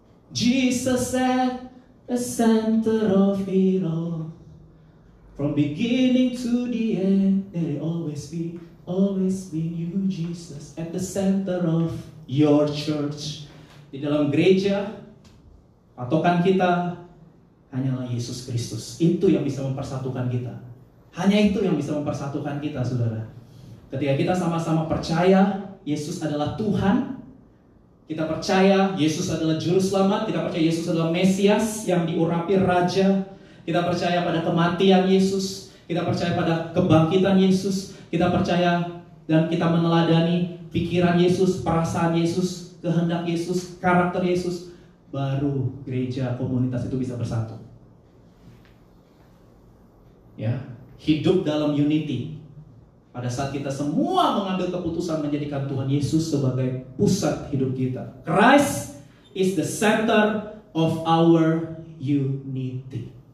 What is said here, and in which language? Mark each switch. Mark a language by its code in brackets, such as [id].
[en] Jesus at the center of it all. From beginning to the end, there always be you, Jesus, at the center of your church. [id] Di dalam gereja, patokan kita hanyalah Yesus Kristus. Itu yang bisa mempersatukan kita. Hanya itu yang bisa mempersatukan kita, saudara. Ketika kita sama-sama percaya Yesus adalah Tuhan, kita percaya Yesus adalah Juru Selamat, kita percaya Yesus adalah Mesias yang diurapi Raja, kita percaya pada kematian Yesus, kita percaya pada kebangkitan Yesus, kita percaya dan kita meneladani pikiran Yesus, perasaan Yesus, kehendak Yesus, karakter Yesus, baru gereja, komunitas itu bisa bersatu. Ya, hidup dalam unity. Pada saat kita semua mengambil keputusan menjadikan Tuhan Yesus sebagai pusat hidup kita. [en] Christ is the center of our unity.